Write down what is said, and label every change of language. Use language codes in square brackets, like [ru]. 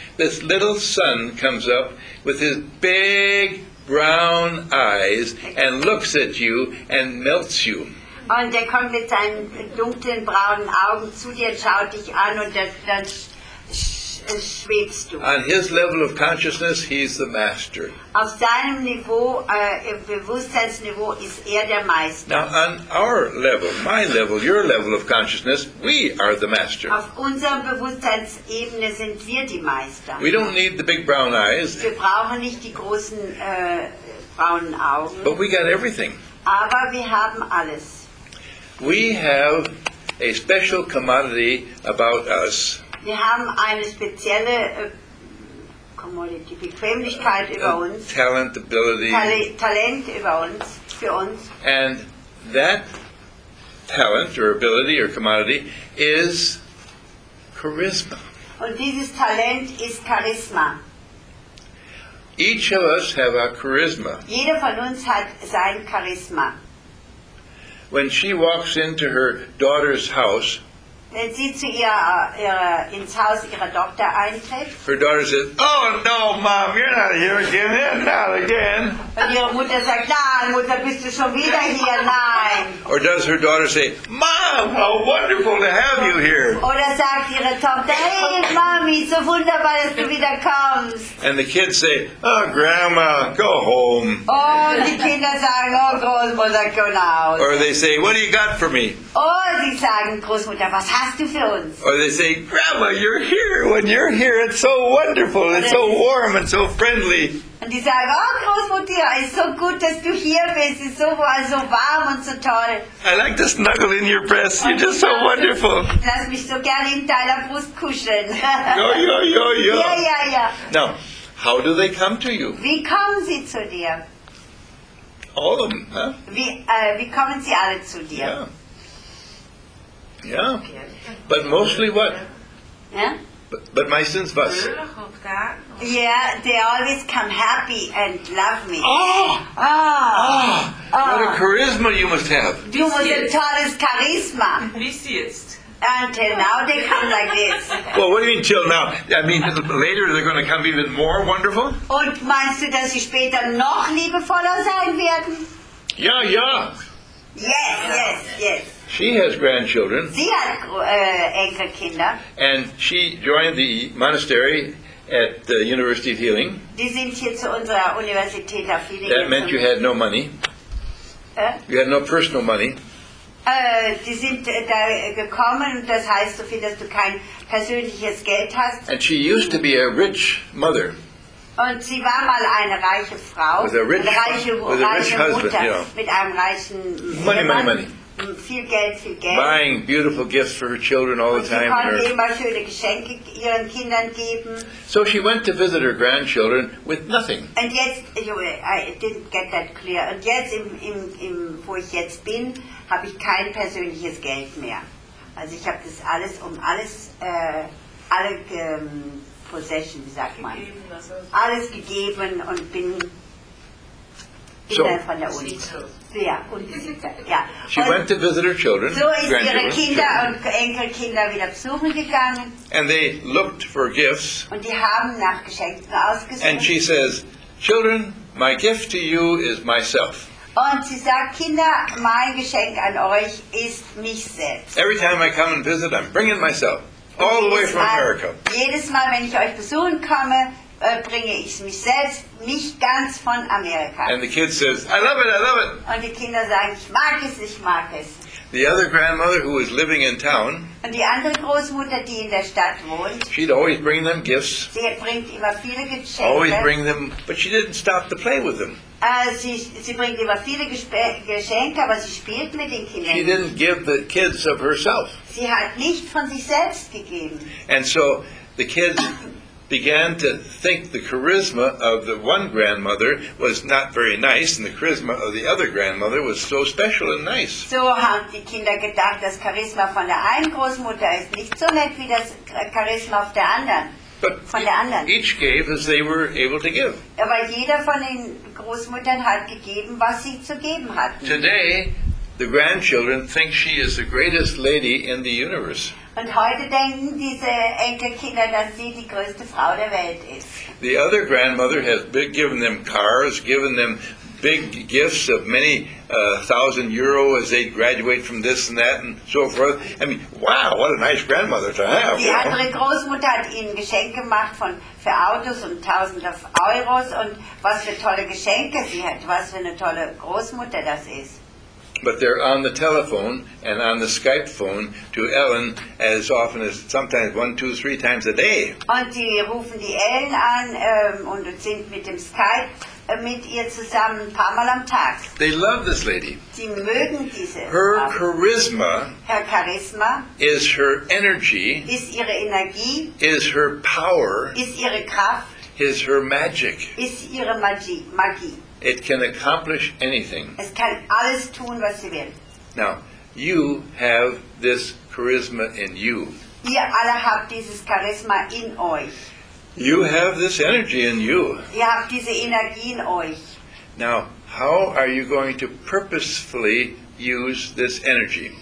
[en] This little son comes up with his big brown eyes and looks at you and melts you. [de] Und er kommt mit seinen dunklen braunen Augen zu dir, schaut dich an und dann schwebst du. [en] On his level of consciousness, he's the master. [de] Auf seinem Niveau, Bewusstseinsniveau, ist der Meister. [en] Now, on our level, my level, your level of consciousness, we are the master. [de] Auf unserer Bewusstseinsebene sind wir die Meister. [en] We don't need the big brown eyes. [de] Wir brauchen nicht die großen braunen Augen. [en] But we got everything. [de] Aber wir haben alles. [en] We have a special commodity about us. [de] Wir haben eine spezielle Commodity, Bequemlichkeit über uns. [en] Talent, ability. [de] Talent über uns, für uns. [en] And that talent or ability or commodity is charisma. [de] Und dieses Talent ist Charisma. [en] Each of us have our charisma. [de] Jeder von uns hat sein Charisma. [en] When she walks into her daughter's house, wenn sie zu ins Haus ihrer Tochter eintritt, her daughter says, "Oh no, Mom, you're not here again. You're not again." [de] Und ihre Mutter sagt, "Nein, Mutter, bist du schon wieder hier? Nein." [en] Or does her daughter say, "Mom, how wonderful to have you here?" [de] Oder sagt ihre Tochter, "Hey, Mami, so wunderbar, dass du wieder kommst." [en] And the kids say, "Oh, Grandma, go home." [de] Oh, die Kinder sagen, "Oh, Großmutter, [en] go now." Or they say, "What do you got for me?" [de] Oh, sie sagen, "Großmutter, was hast du für uns?" [en] Or they say, "Grandma, you're here. When you're here, it's so wonderful. It's so warm and so friendly." [de] Und die sagen, "Oh, Großmutter, es ist so gut, dass du hier bist. Es ist so warm und so toll." [en] "I like to snuggle in your breast. You're just so wonderful." [de] Lass mich so gerne in deiner Brust kuscheln. Yo, yo, yo, yo. Ja, ja, ja. [en] Now, how do they come to you? [de] Wie kommen sie zu dir? [en] All of them, huh? [de] Wie kommen sie alle zu dir? [en] Yeah. Yeah. But mostly what? Yeah. But my sins was. Yeah, they always come happy and love me. Oh! Oh! What a charisma you must have. [de] Du musst ein tolles Charisma. Wie siehst? [en] Until now, they come like this. Well, what do you mean, till now? I mean, later they're going to come even more wonderful? [de] Und meinst du, dass sie später noch liebevoller sein werden? [en] Yeah, yeah. Yes, yes, yes. She has grandchildren. [de] Sie hat Enkelkinder. [en] And she joined the monastery at the University of Healing. [de] Die sind hier zu unserer Universität auf Healing. [en] That meant you had no money. You had no personal money. [de] Die sind da gekommen, und das heißt so viel, dass du kein persönliches Geld hast. [en] And she used to be a rich mother. [de] Und sie war mal eine reiche Frau, [en] with a rich husband, [de] mit einem reichen [en] Mann. Money, money, money. [de] Viel Geld, viel Geld. [en] Buying beautiful gifts for her children all [de] und [en] the time. [de] Sie konnte immer schöne Geschenke ihren Kindern geben. [en] So she went to visit her grandchildren with nothing. And jetzt, I didn't get that clear. [de] Und jetzt, im wo ich jetzt bin, habe ich kein persönliches Geld mehr. Also ich habe das alles um alles, alle Possession, wie sagt man, alles gegeben und bin so von der Uni. Ja, ja. [en] She [de] und [en] went to visit her children. [de] So ist ihre Kinder children. Und Enkelkinder wieder besuchen gegangen. [en] And they looked for gifts. [de] Und die haben nach Geschenken ausgesucht. [en] And she says, children, my gift to you is myself. [de] Und sie sagt, Kinder, mein Geschenk an euch ist mich selbst. [en] Every time I come and visit, I'm bringing myself. All the way from America. [de] Jedes Mal, wenn ich euch besuchen komme, bringe ich mich selbst, mich ganz von Amerika. [en] And the kid says, I love it, I love it. [de] Und die Kinder sagen, ich mag es, ich mag es. [en] The other grandmother who was living in town. [de] Und die andere Großmutter, die in der Stadt wohnt. [en] She'd always bring them gifts. [de] Sie bringt immer viele Geschenke. [en] Always bring them, but she didn't stop to play with them. [de] Sie bringt immer viele Geschenke, aber sie spielt mit den Kindern. [en] She didn't give the kids of herself. [de] Sie hat nicht von sich selbst gegeben. [en] And so the kids began to think the charisma of the one grandmother was not very nice, and the charisma of the other grandmother was so special and nice. [de] So haben die Kinder gedacht, das Charisma von der einen Großmutter ist nicht so nett wie das Charisma auf der anderen. [en] But [de] von der anderen. [en] Each gave as they were able to give. [de] Aber jeder von den Großmüttern hat gegeben, was sie zu geben hatten. [en] Today, the grandchildren think she is the greatest lady in the universe. [de] Und heute denken diese Enkelkinder, dass sie die größte Frau der Welt ist. [en] The other grandmother has given them cars, given them big gifts of many thousand euro as they graduate from this and that and so forth. I mean, wow, what a nice grandmother to have. [de] Die andere Großmutter hat ihnen Geschenke gemacht für Autos und tausende Euros, und was für tolle Geschenke sie hat, was für eine tolle Großmutter das ist. [en] But they're on the telephone and on the Skype phone to Ellen as often as sometimes 1, 2, 3 times a day. [de] Und die rufen die Ellen an und sind mit dem Skype mit ihr zusammen ein paar Mal am Tag. [en] They love this lady. [de] Sie mögen diese. [en] Her charisma. Her Charisma. Is her energy. [de] Ist ihre Energie. [en] Is her power. [de] Ist ihre Kraft. [en] Is her magic. [de] Ist ihre Magie. [en] It can accomplish anything. [de] Es kann alles tun, was sie will. [en] Now, you have this charisma in you. [de] Ihr alle habt dieses Charisma in euch. [en] You have this energy in you. [de] Ihr habt diese Energie in euch. [en] Now, how are you going to purposefully use this energy?